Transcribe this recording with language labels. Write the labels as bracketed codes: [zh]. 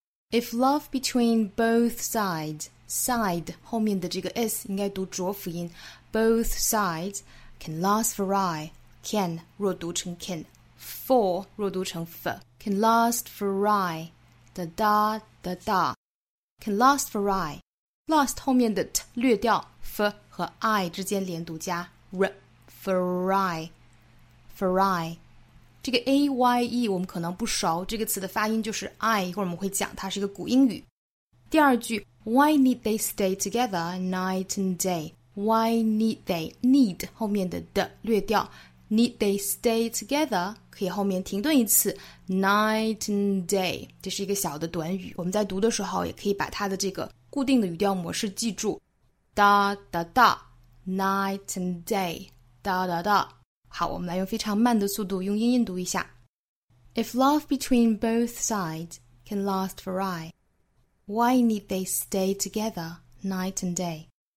[en] If love between both sides, [zh] side 后面的这个 s 应该读浊辅音 [en] ，both sides can last for aye, can [zh] 若读成 [en] can, for 若读成 f, can last for aye, da da da da, can last for aye, last [zh] 后面的 t 略掉， f 和 i 之间连读加 r, [en] for aye, for aye。 [zh] 这个 A-Y-E 我们可能不熟，这个词的发音就是 I， 一会儿我们会讲它是一个古英语。第二句 [en] Why need they stay together night and day? Why need they need [zh] 后面的 the 略掉 [en] Need they stay together [zh] 可以后面停顿一次 [en] Night and day [zh] 这是一个小的短语，我们在读的时候也可以把它的这个固定的语调模式记住 Da da da Night and day Da da da。好，我们来用非常慢的速度用英音读一下。 [en] If love between both sides can last for aye, why need they stay together night and day?